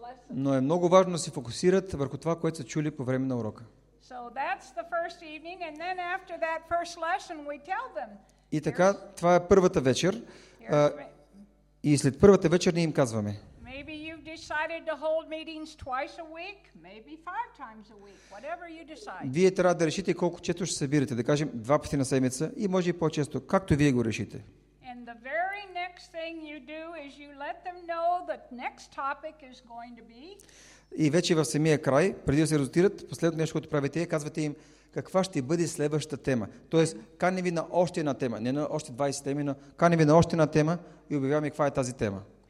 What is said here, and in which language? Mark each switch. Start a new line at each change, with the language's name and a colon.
Bulgarian: Но е много важно да се фокусират върху това, което са чули по време на урока.
English: So that's the first evening, and then after that first lesson, we tell them.
Bulgarian: И така, това е първата вечер. И след първата вечер ние им казваме.
English: Maybe you've decided to hold meetings twice a week, maybe five times a week, whatever you decide.
Bulgarian: Вие трябва да решите колко често ще събирате, да кажем два пъти на седмица и може и по-често, както вие го решите.
English: And the very next thing you do is you let them know that next topic is going to be.
Bulgarian: И вече в самия край, преди да се разотират, последното нещо, което правите, казвате им каква ще бъде следващата тема. Тоест, кани ви на още една тема, не на още 20 теми, но кани ви на още една тема и обявяваме каква е тази тема.